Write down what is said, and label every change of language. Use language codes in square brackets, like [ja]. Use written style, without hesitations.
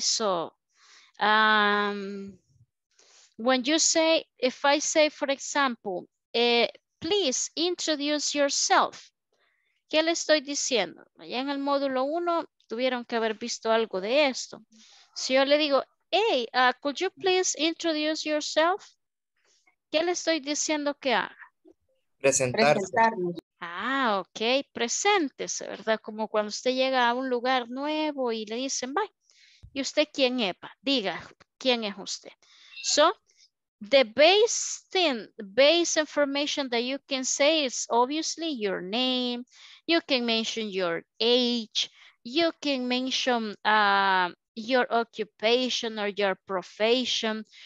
[en] So, when you say, if I say, for example, please introduce yourself. [es] ¿Qué le estoy diciendo? Allá en el módulo 1 tuvieron que haber visto algo de esto. Si yo le digo, [en] hey, could you please introduce yourself? [es] ¿Qué le estoy diciendo que haga? Presentarnos. Ah, ok. Preséntese, ¿verdad? Como cuando usted llega a un lugar nuevo y le dicen, bye, ¿Y usted quién es? Pa? Diga, ¿quién es usted? [en] So, the base thing, base information that you can say is obviously your name. You can mention your age. You can mention your occupation or your profession.